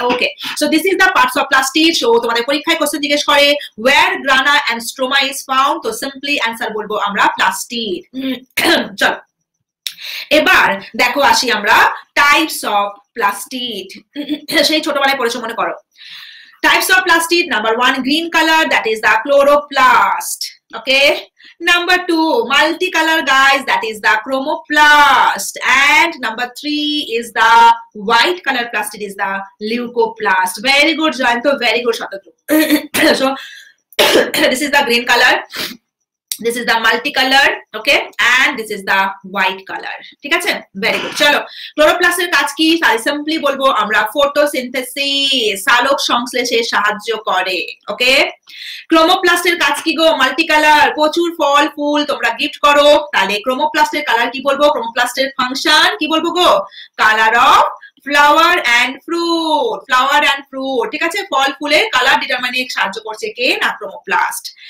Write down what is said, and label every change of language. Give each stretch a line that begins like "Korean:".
English: Okay so this is the parts of plastid.
Bangla: So তোমাদের পরীক্ষায় question জিজ্ঞেস করে
English: where grana and stroma is found, তো simply answer
Bangla: বলবো আমরা
English: Plastid.
Bangla: চলো এবার দেখো আসি আমরা
English: types of plastid,
Bangla: সেই ছোটবেলায় পড়েছো মনে করো।
English: Types of plastid, number one, green color, that is the chloroplast, okay? Number two, multicolor guys, that is the chromoplast. And number three is the white color plastid, is the leucoplast. Very good, Jayanto, very good, Shatadru. So, this is the green color, this is the multicolor, okay? And this is the white color,
Bangla: ঠিক আছে?
English: Very good,
Bangla: চলো, ক্লোরোপ্লাস্টের কাজ কি? তাই simply বলবো আমরা photosynthesis, আলোক সংশ্লেষে সাহায্য করে, ওকে? ক্রোমোপ্লাস্টের কাজ কি গো? মাল্টিকালার, প্রচুর ফল ফুল তোমরা গিফট করো, তাহলে ক্রোমোপ্লাস্টের কালার কি বলবো? ক্রোমোপ্লাস্টের ফাংশন কি বলবো গো?
English: colour of flower and fruit,
Bangla: flower and fruit, ঠিক আছে? ফল ফুলের কালার ডিটারমাইনে সাহায্য করছে কে? না ক্রোমোপ্লাস্ট।